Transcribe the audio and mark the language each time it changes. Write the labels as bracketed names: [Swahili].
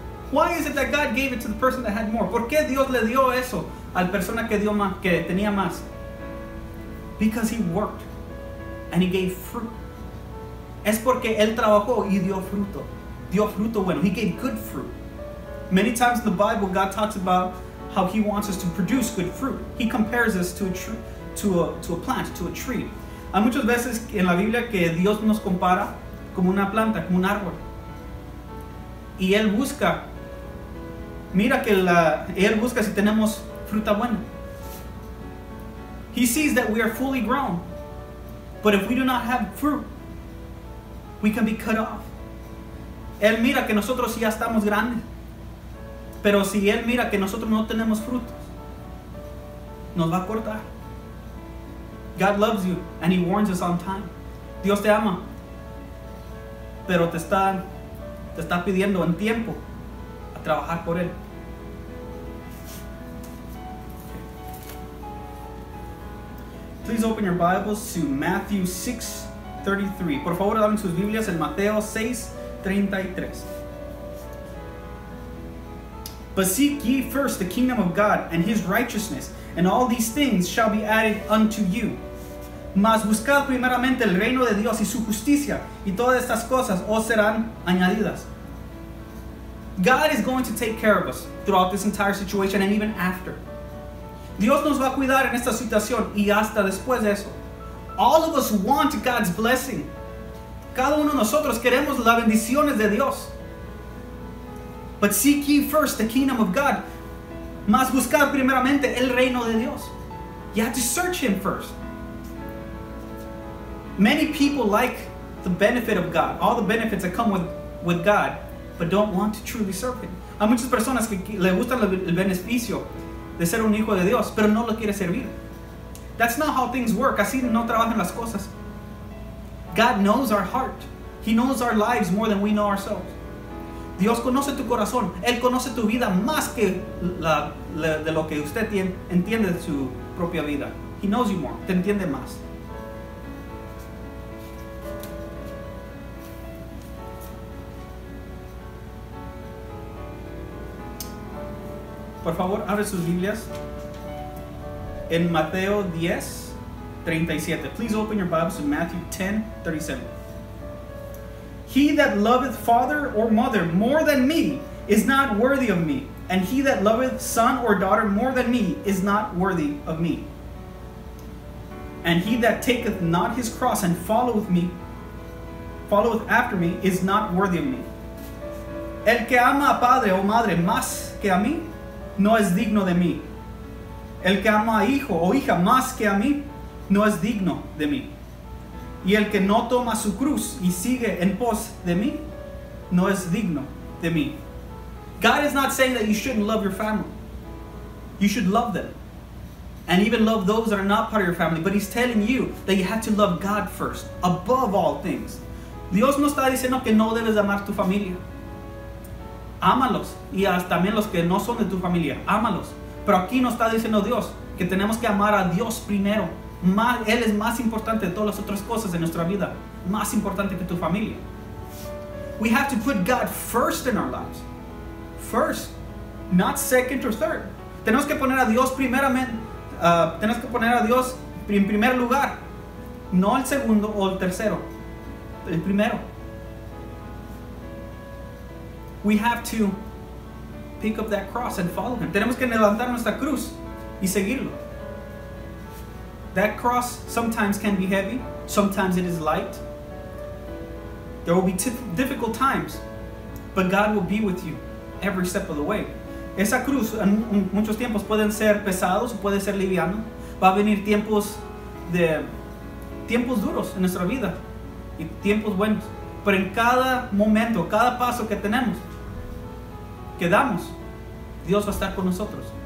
[English] Why is it that God gave it to the person that had more? [Spanish] ¿Por qué Dios le dio eso al persona que dio más, que tenía más? [English] Because he worked and he gave fruit. [Spanish] Es porque él trabajó y dio fruto. Dio fruto bueno. [English] He gave good fruit. Many times in the Bible, God talks about how he wants us to produce good fruit. He compares us to a plant, to a tree. [Spanish] Hay muchas veces en la Biblia que Dios nos compara como una planta, como un árbol. Y él busca, mira que la, él busca si tenemos fruta buena. [English] He sees that we are fully grown. But if we do not have fruit, we can be cut off. [Spanish] Él mira que nosotros ya estamos grandes. Pero si él mira que nosotros no tenemos frutos, nos va a cortar. [English] God loves you and he warns us on time. [Spanish] Dios te ama. Pero te está pidiendo en tiempo a trabajar por él. [English] Please open your Bibles to Matthew 6:33. [Spanish] Por favor, abran sus Biblias en Mateo 6:33. [English] But seek ye first the kingdom of God and his righteousness, and all these things shall be added unto you. [Spanish] Mas buscad primeramente el reino de Dios y su justicia, y todas estas cosas os serán añadidas. [English] God is going to take care of us throughout this entire situation and even after. [Spanish] Dios nos va a cuidar en esta situación y hasta después de eso. [English] All of us want God's blessing. [Spanish] Cada uno de nosotros queremos las bendiciones de Dios. [English] But seek ye first the kingdom of God. [Spanish] Mas buscad primeramente el reino de Dios. [English] You have to search him first. Many people like the benefit of God, all the benefits that come with God, but don't want to truly serve him. [Spanish] Hay muchas personas que le gusta el beneficio de ser un hijo de Dios, pero no lo quiere servir. [English] That's not how things work. [Spanish] Así no trabajan las cosas. [English] God knows our heart. He knows our lives more than we know ourselves. [Spanish] Dios conoce tu corazón. Él conoce tu vida más que de lo que usted tiene, entiende de su propia vida. [English] He knows you more. [Spanish] Te entiende más. Por favor, abre sus Biblias en Mateo 10:37. [English] Please open your Bibles in Matthew 10:37. He that loveth father or mother more than me is not worthy of me, and he that loveth son or daughter more than me is not worthy of me. And he that taketh not his cross and followeth after me is not worthy of me. [Spanish] El que ama a padre o madre más que a mí no es digno de mí. El que ama a hijo o hija más que a mí no es digno de mí. Y el que no toma su cruz y sigue en pos de mí, no es digno de mí. [English] God is not saying that you shouldn't love your family. You should love them. And even love those that are not part of your family. But he's telling you that you have to love God first, above all things. [Spanish] Dios no está diciendo que no debes amar tu familia. Ámalos. Y hasta también los que no son de tu familia. Ámalos. Pero aquí no está diciendo Dios que tenemos que amar a Dios primero. Él es más importante de todas las otras cosas en nuestra vida. Más importante que tu familia. [English] We have to put God first in our lives. First, not second or third. [Spanish] Tenemos que poner a Dios primeramente. Tenemos que poner a Dios en primer lugar. No el segundo o el tercero. El primero. [English] We have to pick up that cross and follow him. [Spanish] Tenemos que levantar nuestra cruz y seguirlo. [English] That cross sometimes can be heavy. Sometimes it is light. There will be difficult times. But God will be with you every step of the way. [Spanish] Esa cruz en muchos tiempos pueden ser pesados, puede ser liviano. Va a venir tiempos duros en nuestra vida. Y tiempos buenos. Pero en cada momento, cada paso que tenemos, que damos, Dios va a estar con nosotros.